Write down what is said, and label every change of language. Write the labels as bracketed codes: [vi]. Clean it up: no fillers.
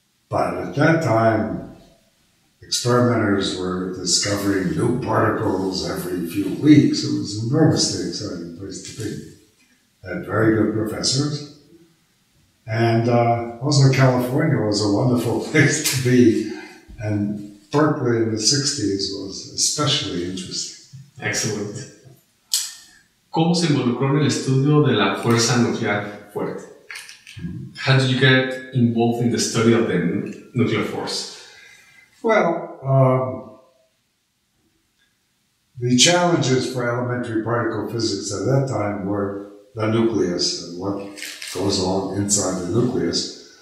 [en] But at that time, experimenters were discovering new particles every few weeks. It was an enormously exciting place to be. Had very good professors. And also California was a wonderful place to be. And Berkeley in the 60s was especially interesting. Excellent. [es] ¿Cómo se involucró en el estudio de la fuerza nuclear fuerte? [en] How did you get involved in the study of the nuclear force? Well, the challenges for elementary particle physics at that time were the nucleus and what goes on inside the nucleus.